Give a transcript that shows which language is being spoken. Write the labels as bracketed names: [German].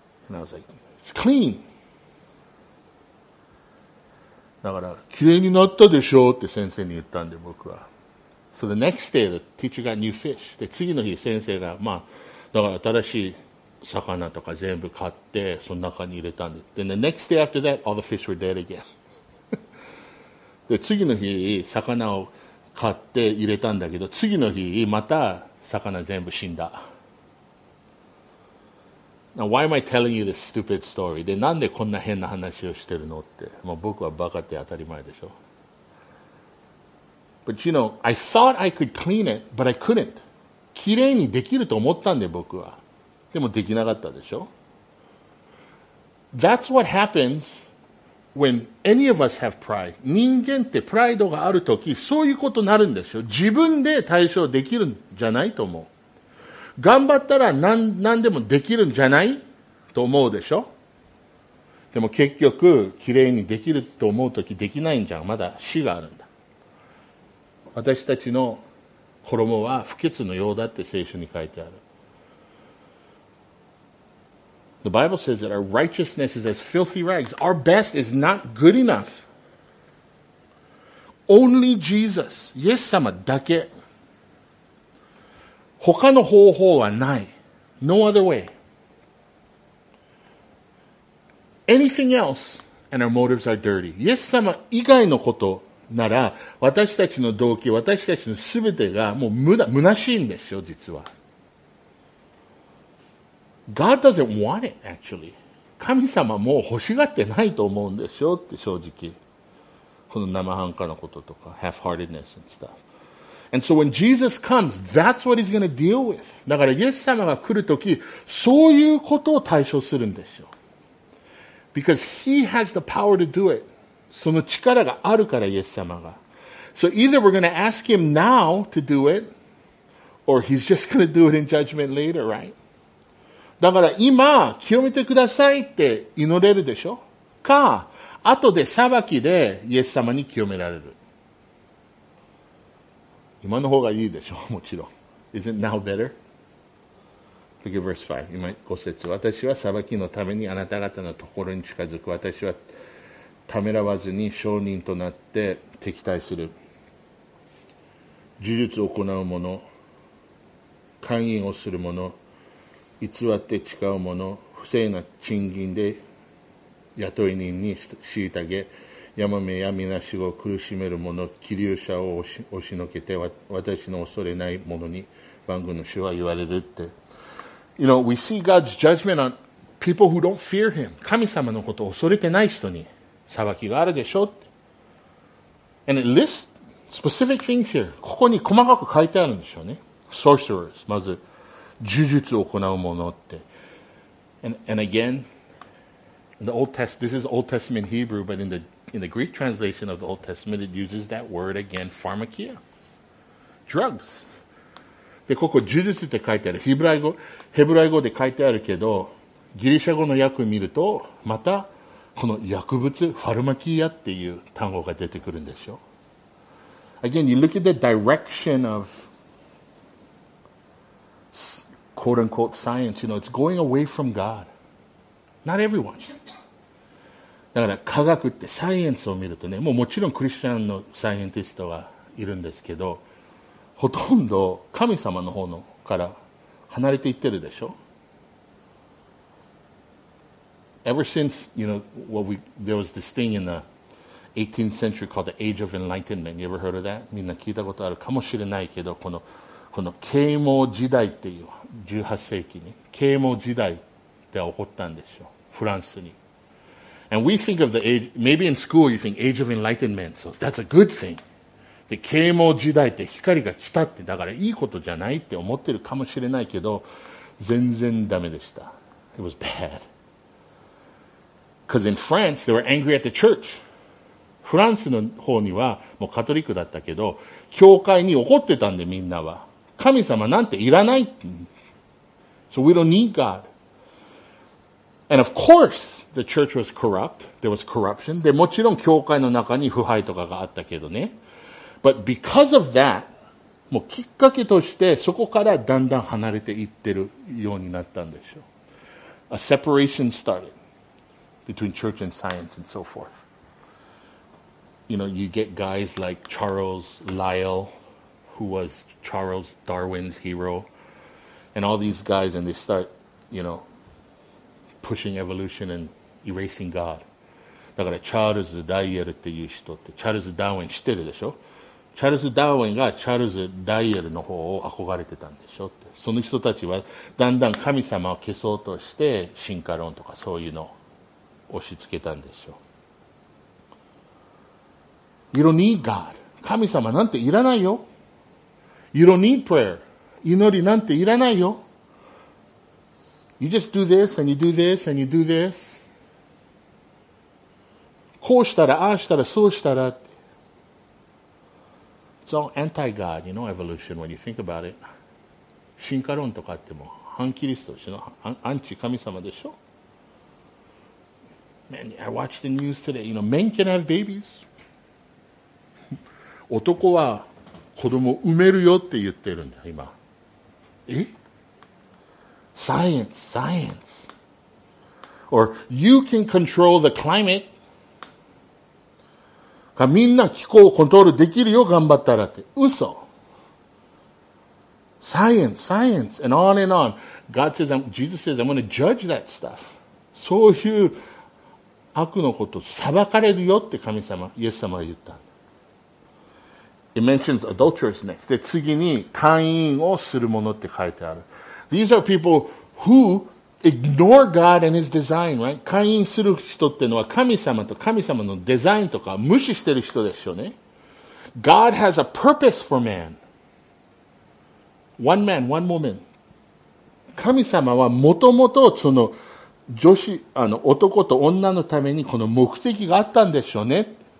[English] And I was like, it's clean. [Japanese] だから、綺麗になったでしょうって先生に言ったんで、僕は。 [English] So the next day, the teacher got new fish. [Japanese] で、次の日、先生が、まあ、だから新しい魚とか全部買ってその中に入れたんで。 [English] Then the next day after that, all the fish were dead again. [Japanese] で次の日魚を買って入れたんだけど、次の日また魚全部死んだ。 [English] Now, why am I telling you this stupid story? [Japanese] で、なんでこんな変な話をしてるのって。もう僕はバカって当たり前でしょ。 [English] But you know, I thought I could clean it, but I couldn't. [Japanese] きれいにできると思ったんで、僕は。でもできなかったでしょ。 [English] That's what happens when any of us have pride. [Japanese] 人間ってプライドがあるとき、そういうことになるんですよ。自分で対処できるんじゃないと思う。頑張ったら何でもできるんじゃないと思うでしょ。でも結局きれいにできると思うときできないんじゃん。まだ死があるんだ。私たちの衣は不潔のようだって聖書に書いてある。 [English] The Bible says that our righteousness is as filthy rags. Our best is not good enough. Only Jesus, [Japanese] イエス様だけ。他の方法はない。 [English] No other way. Anything else and our motives are dirty. [Japanese] イエス様以外のことなら、私たちの動機、私たちの全てがもう無駄、虚しいんですよ、実は。 [English] God doesn't want it, actually. [Japanese] 神様も欲しがってないと思うんですよ、って正直。この生半可なこととか、 [English] half-heartedness and stuff. And so when Jesus comes, that's what he's going to deal with. [Japanese] だからイエス様が来るとき、そういうことを対処するんですよ。 [English] Because he has the power to do it. [Japanese] その力があるからイエス様が。 [English] So either we're going to ask him now to do it, or he's just going to do it in judgment later, right? [Japanese] だから今、清めてくださいって祈れるでしょ。か、後で裁きでイエス様に清められる。今の方がいいでしょう、もちろん。 [English] Isn't now better? Look at verse 5. [Japanese] 今、5節。私は裁きのためにあなた方のところに近づく。私はためらわずに証人となって敵対する。呪術を行う者、勧誘をする者、偽って誓う者、不正な賃金で雇い人に虐げ、ヤマメやみなしごを苦しめる者、気流者を押しのけて、私の恐れない者に万軍の主は言われるって。 [English] You know, we see God's judgment on people who don't fear him. [Japanese] 神様のことを恐れてない人に裁きがあるでしょって。 [English] And it lists specific things here. [Japanese] ここに細かく書いてあるんでしょうね。 Sorcerers, まず、呪術を行う者って。 [English] And again, in the Old Testament, this is Old Testament Hebrew, but in the Greek translation of the Old Testament, it uses that word again, pharmakia. Drugs. [Japanese] で、ここ、呪術って書いてある。ヘブライ語で書いてあるけど、ギリシャ語の訳を見ると、また、この薬物、ファルマキアっていう単語が出てくるんでしょ。 [English] Again, you look at the direction of quote-unquote science. You know, it's going away from God. Not everyone. [Japanese] だから科学ってサイエンスを見るとね、もちろんクリスチャンのサイエンティストがいるんですけど、ほとんど神様の方のから離れていってるでしょ。 [English] Ever since, you know, there was this thing in the 18th century called the Age of Enlightenment. You ever heard of that? [Japanese] みんな聞いたことあるかもしれないけど、この啓蒙時代っていう、18世紀に啓蒙時代って起こったんでしょ、フランスに。 [English] And we think of the age, maybe in school you think Age of Enlightenment, so that's a good thing. [Japanese] で、啓蒙時代って光が来たって、だからいいことじゃないって思ってるかもしれないけど、全然ダメでした。 [English] It was bad. Because in France, they were angry at the church. [Japanese] フランスの方にはもうカトリックだったけど、教会に怒ってたんでみんなは。神様なんていらない。 [English] So we don't need God. And of course,The church was corrupt. There was corruption. [Japanese] で、もちろん教会の中に腐敗とかがあったけどね。 [English] But because of that, [Japanese] もうきっかけとしてそこからだんだん離れていってるようになったんでしょう。 [English] A separation started between church and science and so forth. You know, you get guys like Charles Lyell, who was Charles Darwin's hero. and all these guys, and they start, you know, pushing evolution and erasing God. [Japanese] だからチャールズ・ダイエルっていう人って、チャールズ・ダーウィン知ってるでしょ？チャールズ・ダーウィンがチャールズ・ダイエルの方を憧れてたんでしょって。その人たちはだんだん神様を消そうとして進化論とかそういうのを押し付けたんでしょう。 [English] You don't need God. [Japanese] 神様なんていらないよ。 [English] You don't need prayer. [Japanese] 祈りなんていらないよ。 [English] You just do this and you do this and you do this. [Japanese] こうしたら、ああしたら、そうしたら。 [English] It's all anti-God, you know, evolution, when you think about it. [Japanese] 進化論とかあっても、反キリストでしょ、アンチ神様でしょ。 [English] Man, I watched the news today. You know, men can have babies. [Japanese] 男は子供を産めるよって言ってるんだ、今。え？ [English] Science, science. Or, you can control the climate. [Japanese] みんな気候をコントロールできるよ、頑張ったらって。 [English] 嘘。Science, science, and on and on. God says, Jesus says, I'm going to judge that stuff. [Japanese] そういう悪のこと、裁かれるよって神様、イエス様は言った。 [English] It mentions adulterers next. [Japanese] で、次に、姦淫をするものって書いてある。 [English] These are people who ignore God and His design, right? [Japanese] 会員する人ってのは神様と神様のデザインとか無視してる人ですよね。 [English] God has a purpose for man. One man, one woman. [Japanese] 神様はもともとその女子、あの男と女のためにこの目的があったんでしょうね。